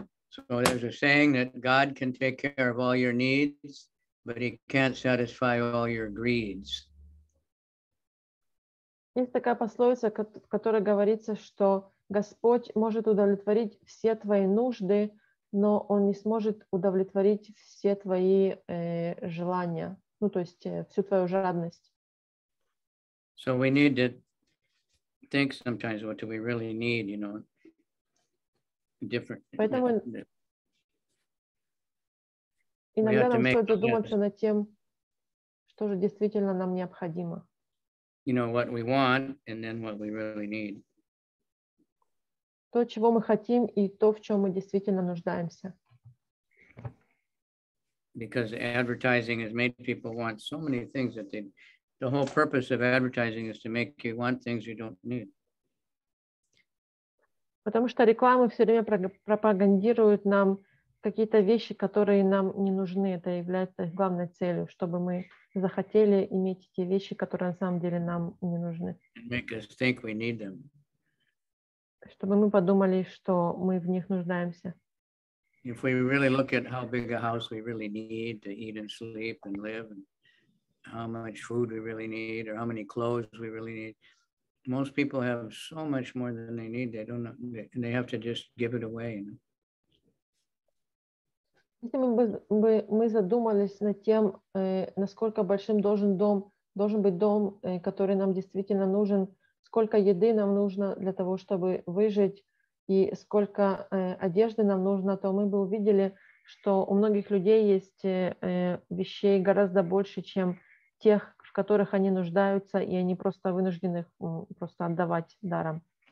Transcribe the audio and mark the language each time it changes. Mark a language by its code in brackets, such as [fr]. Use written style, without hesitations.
[en] So there's a saying that God can take care of all your needs, but he can't satisfy all your greeds. [ru] Есть такая пословица, в которой говорится, что Господь может удовлетворить все твои нужды, но он не сможет удовлетворить все твои желания, ну то есть всю твою жадность. [en] So we need to think sometimes, what do we really need, you know? [ru] Поэтому иногда нам стоит задуматься над тем, что же действительно нам необходимо. [en] You know, what we want and then what we really need. [ru] То, чего мы хотим, и то, в чем мы действительно нуждаемся. [en] Because advertising has made people want so many things that they... The whole purpose of advertising is to make you want things you don't need. [ru] Потому что рекламы все время пропагандируют нам какие-то вещи, которые нам не нужны, это является главной целью, чтобы мы захотели иметь те вещи, которые на самом деле нам не нужны. [en] Make us think we need them. [ru] Чтобы мы подумали, что мы в них нуждаемся. [en] If we really look at how big a house we really need to eat and sleep and live, and how much food we really need, or how many clothes we really need, most people have so much more than they need. They don't know, and they have to just give it away. [ru] Если бы мы задумались над тем, насколько большим должен быть дом, который нам действительно нужен, сколько еды нам нужно для того, чтобы выжить, и сколько одежды нам нужно, то мы бы увидели, что у многих людей есть вещей гораздо больше, чем тех, в которых они нуждаются, и они просто вынуждены их просто отдавать даром.